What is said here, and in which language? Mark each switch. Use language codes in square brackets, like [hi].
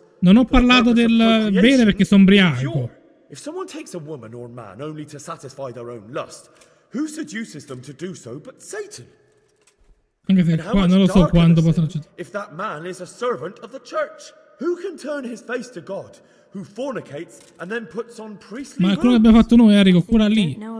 [it] Non ho parlato del bene perché sono ubriaco. [en] If someone takes a woman or man only to satisfy their own lust, who seduces them to do so but Satan? [it] Anche se qua non lo so quando possono... [en] If that man is a servant of the church, who can turn his face to God? who fornicates and then puts on priestly robes. [it] Ma quello che abbiamo fatto noi, Enrico, quella lì.